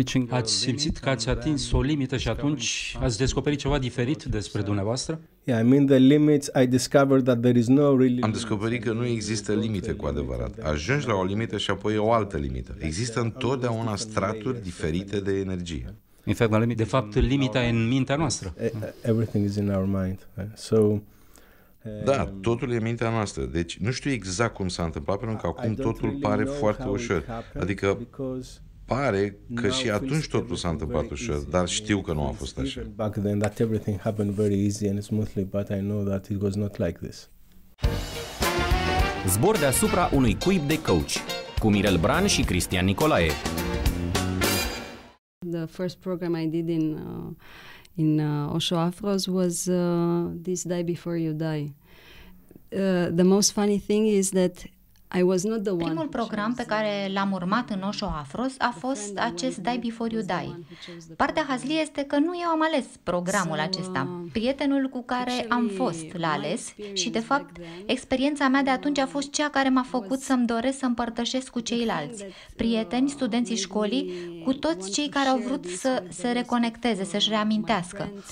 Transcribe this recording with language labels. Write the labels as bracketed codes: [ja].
[ro] Ați simțit că ați atins o limită și atunci ați descoperit ceva diferit despre dumneavoastră? [en] Yeah, I mean the limits, I discovered that there is no really. [ro] Am descoperit că nu există limite cu adevărat. Ajungi la o limită și apoi o altă limită. Există întotdeauna straturi diferite de energie. [en] In fact, [ro] de fapt, limita e în mintea noastră. [en] Everything is in our mind. So [ro] da, totul e mintea noastră. Deci nu știu exact cum s-a întâmplat, pentru că acum totul pare foarte ușor. Adică pare că și atunci totul s-a întâmplat ușor, dar știu că nu a fost așa. [en] Back then that everything happened very easy and smoothly, but I know that it was not like this. [ro] Zbor deasupra unui cuib de coach cu Mirel Bran și Cristian Nicolae. Da. [en] first program I did in Osho Afros was This Die Before You Die. The most funny thing is that I was not the [ro] primul program pe care l-am urmat în Osho Afros a fost acest Die Before You Die. Partea hazlie este că nu eu am ales programul acesta. Prietenul cu care am fost l-a ales și, de fapt, experiența mea de atunci a fost cea care m-a făcut să-mi doresc să împărtășesc cu ceilalți, prieteni, studenții școlii, cu toți cei care au vrut să se reconecteze, să-și reamintească.